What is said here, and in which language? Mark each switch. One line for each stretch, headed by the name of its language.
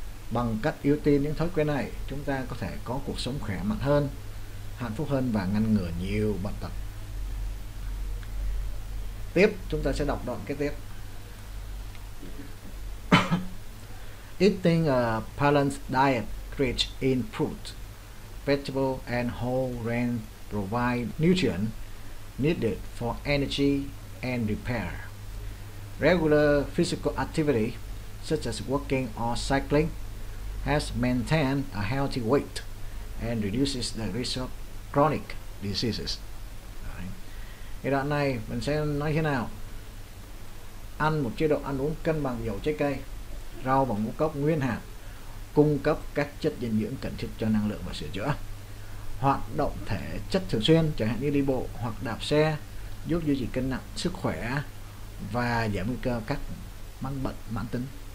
Vietnamese: Bằng cách ưu tiên những thói quen này, chúng ta có thể có cuộc sống khỏe mạnh hơn, hạnh phúc hơn và ngăn ngừa nhiều bệnh tật. Tiếp, chúng ta sẽ đọc đoạn kế tiếp.
English: Eating a balanced diet rich in fruit, vegetables and whole grains provide nutrients needed for energy and repair. Regular physical activity, such as walking or cycling, has maintained a healthy weight and reduces the risk of chronic diseases.
Vietnamese: Thì đoạn này mình sẽ nói thế nào. Ăn một chế độ ăn uống cân bằng dầu trái cây, rau và ngũ cốc nguyên hạt, cung cấp các chất dinh dưỡng cần thiết cho năng lượng và sửa chữa. Hoạt động thể chất thường xuyên, chẳng hạn như đi bộ hoặc đạp xe, giúp duy trì cân nặng, sức khỏe và giảm nguy cơ các mắc bệnh mãn tính.